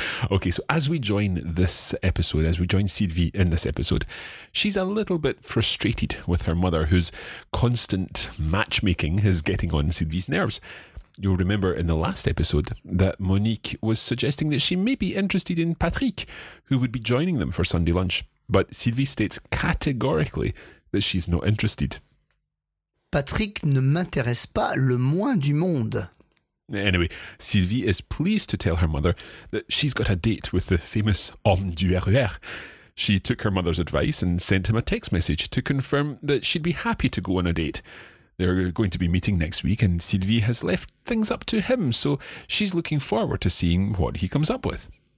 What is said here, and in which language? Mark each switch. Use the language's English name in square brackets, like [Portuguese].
[English] Okay, so as we join this episode, as we join Sylvie in this episode, she's a little bit frustrated with her mother, whose constant matchmaking is getting on Sylvie's nerves. You'll remember in the last episode that Monique was suggesting that she may be interested in Patrick, who would be joining them for Sunday lunch. But Sylvie states categorically that she's not interested. [French] Patrick ne m'intéresse pas le moins du monde. [English] Anyway, Sylvie is pleased to tell her mother that she's got a date with the famous [French] homme du RER. [English] She took her mother's advice and sent him a text message to confirm that she'd be happy to go on a date. They're going to be meeting next week, and Sylvie has left things up to him, so she's looking forward to seeing what he comes up with.